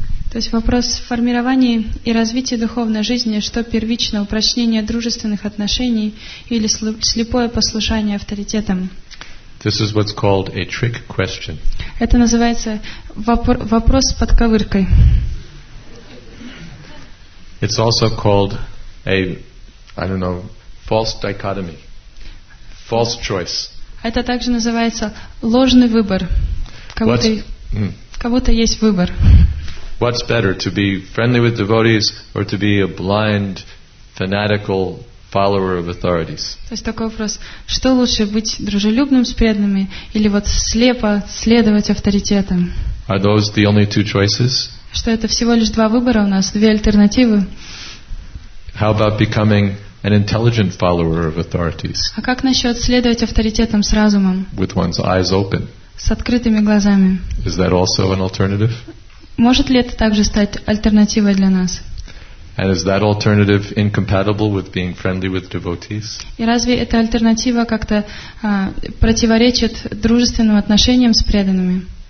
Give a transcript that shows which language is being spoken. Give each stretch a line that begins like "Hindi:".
Russian: То есть вопрос в формировании и развитии духовной жизни, что первично, упрочнение дружественных отношений или слепое послушание авторитетам?
English: This is what's called a trick question.
Russian: Это называется вопрос с подковыркой.
English: It's also called a, I don't know, false dichotomy, false choice.
Russian: Это также называется ложный выбор. Кого-то есть выбор.
English: What's better, to be friendly with devotees or to be a blind, fanatical follower of authorities?
Russian: То есть такой вопрос: что лучше, быть дружелюбным с преданными или вот слепо следовать авторитетам?
English: Are those the only two choices?
Russian: Что это всего лишь два выбора у нас, две альтернативы?
English: How about becoming an intelligent follower of authorities?
Russian: А как насчет следовать авторитетам с разумом?
English: With one's eyes open.
Russian: С открытыми глазами.
English: Is that also an alternative?
Russian: Может ли это также стать альтернативой для нас?
English: And is that alternative incompatible with being friendly with devotees?
Russian: И разве эта альтернатива как-то противоречит дружественным отношениям с преданными?